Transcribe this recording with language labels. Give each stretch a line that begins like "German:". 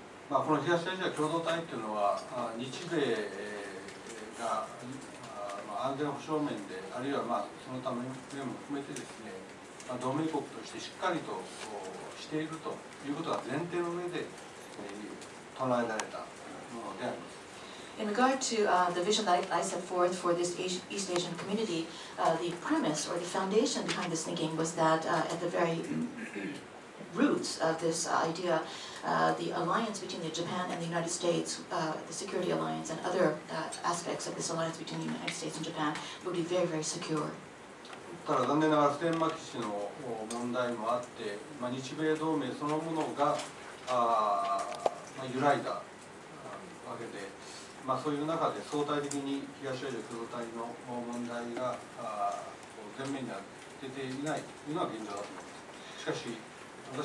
Japanese: まあ、この東アジア共同体というのは、日米が、まあ、安全保障面で、あるいは、まあ、その他面も含めてですね、まあ、同盟国としてしっかりとしているということが前提の上で唱えられたものであります。
English: In regard to the vision that I set forth for this East Asian community, the premise or the foundation behind this thinking was that at the very roots of this idea, the alliance between the Japan and the United States, the security alliance and other aspects of this alliance between the United States and Japan would be very, very secure.
Japanese: ただ残念ながら普天間基地の問題もあって、まあ、日米同盟そのものが揺らいだわけで、まあ、そういう中で相対的に東アジア共同体の問題が前面には出ていないというのは現状だと思います。